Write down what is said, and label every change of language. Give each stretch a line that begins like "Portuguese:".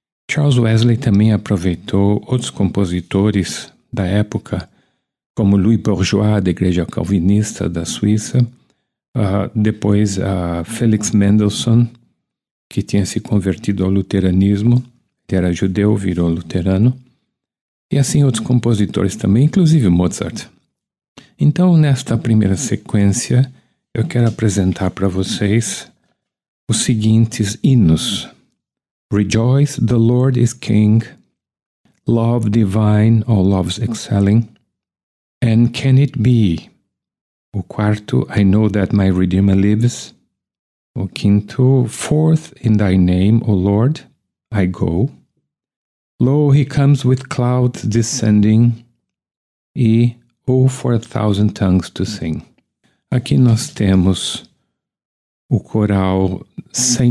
Portuguese: Charles Wesley também aproveitou outros compositores da época, como Louis Bourgeois, da Igreja Calvinista da Suíça, depois Felix Mendelssohn, que tinha se convertido ao luteranismo, que era judeu, virou luterano, e assim outros compositores também, inclusive Mozart. Então, nesta primeira sequência, eu quero apresentar para vocês os seguintes hinos.
English: Rejoice, the Lord is King. Love divine, all loves excelling. And can it be?
Portuguese: O quarto,
English: I know that my Redeemer lives.
Portuguese: O quinto,
English: forth in thy name, O Lord, I go. Lo, he comes with clouds descending. E, oh, for a thousand tongues to sing.
Portuguese: Aqui nós temos o coral St.